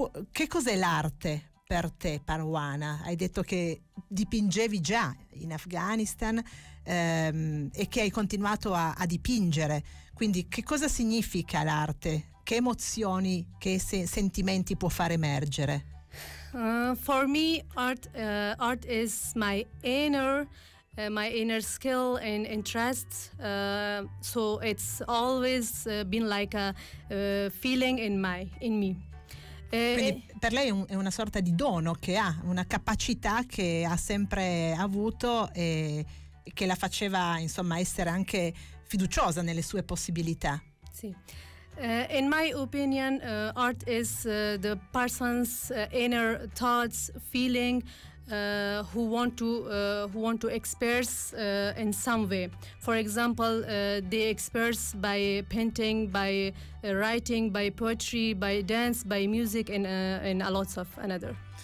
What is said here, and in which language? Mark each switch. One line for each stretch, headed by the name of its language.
Italian: Che cos'è l'arte per te, Parwana? Hai detto che dipingevi già in Afghanistan e che hai continuato a dipingere. Quindi che cosa significa l'arte? Che emozioni, che sentimenti può far emergere?
English: For me, art is my inner... my inner skill and interests, so it's always been like a feeling in me.
Italian: Quindi per lei è una sorta di dono che ha, una capacità che ha sempre avuto e che la faceva, insomma, essere anche fiduciosa nelle sue possibilità. Sì.
English: In my opinion, art is the person's inner thoughts, feeling. Who want to express in some way. For example, they express by painting, by writing, by poetry, by dance, by music, and a lot of another.